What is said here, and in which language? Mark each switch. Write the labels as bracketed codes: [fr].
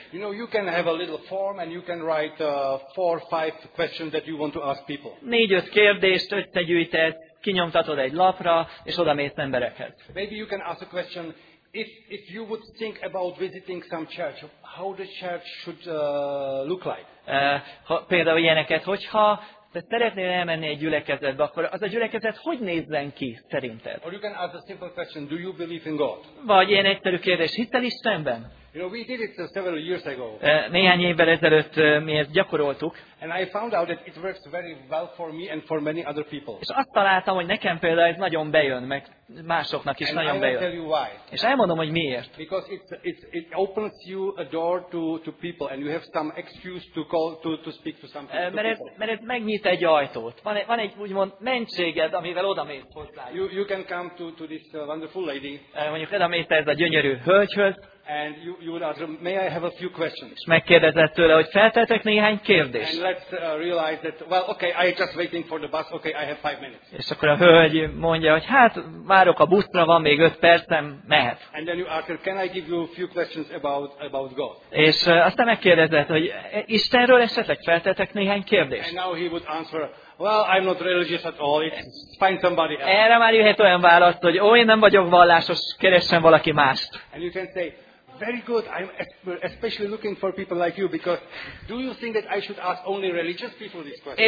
[en] You know, you can have a little form and you can write 4 or 5 questions that you want to ask people. [hu] 4-5 kérdést összegyűjtesz, kinyomtatod egy lapra és odamész emberekhez. [en] Maybe you can ask a question, if you would think about visiting some church, how the church should look like. [hu] Például ilyeneket, hogyha te szeretnél elmenni egy gyülekezetbe, akkor az a gyülekezet hogy nézzen ki szerinted? [en] Or you can ask a simple question, do you believe in God? [hu] Vagy ilyen egyszerű kérdés, hittel Istenben? [en] You know, we did it several years ago. [hu] Néhány évvel ezelőtt mi ezt gyakoroltuk. [en] And I found out that it works very well for me and for many other people. [hu] És azt találtam, hogy nekem például ez nagyon bejön, meg másoknak is [en] and [hu] nagyon [en] I [hu] bejön. [en] Tell you why. [hu] És elmondom, hogy miért. [en] Because it opens you a door to people and you have some excuse to call to speak to some people. [hu] Mert ez megnyit egy ajtót. Van egy úgymond mentséged, amivel odamész hozzá. [en] You can come to this wonderful lady. [hu] Mondjuk odamész ez a gyönyörű hölgyhöz. [en] And you would ask, may I have a few questions? [hu] És megkérdezett tőle, hogy feltehetek néhány kérdést. [en] And let's realize that, well, okay, I just waiting for the bus, okay, I have 5 minutes. [hu] És akkor a hölgy mondja, hogy hát, várok a buszra, van még 5 percem, mehet. [en] And then you ask her, can I give you a few questions about God? [hu] És aztán megkérdezett, hogy Istenről esetleg feltehetek néhány kérdést. [en] And now he would answer, Well, I'm not religious at all. It's find somebody else. [hu] Erre már jöhet olyan választ, hogy én nem vagyok vallásos, keressen valaki mást. [en] And you can say, very good. I'm especially looking for people like you because do you think that I should ask only religious people this question?